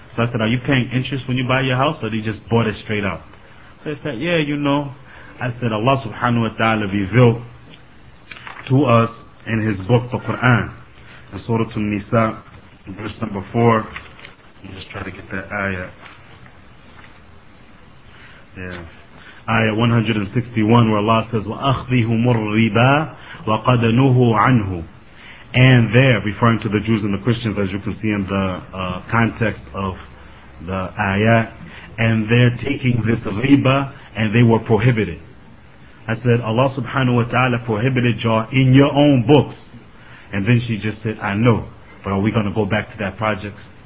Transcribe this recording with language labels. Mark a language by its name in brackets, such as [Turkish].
[English] So I said, are you paying interest when you buy your house, or they just bought it straight up? So they said, yeah, you know. I said, Allah subhanahu wa ta'ala revealed to us in his book, the Quran, in Surah An-Nisa, verse number 4. Let me just try to get that ayah. Yeah. Ayah 161, where Allah says, [Arabic] وَأَخْذِهُمُ الرِّبَى وَقَدْ نُهُوا عَنْهُ. [English] And there, referring to the Jews and the Christians, as you can see in the context of the ayah, and they're taking this riba, and they were prohibited. I said, Allah subhanahu wa ta'ala prohibited y'all in your own books. And then she just said, I know, but are we going to go back to that project?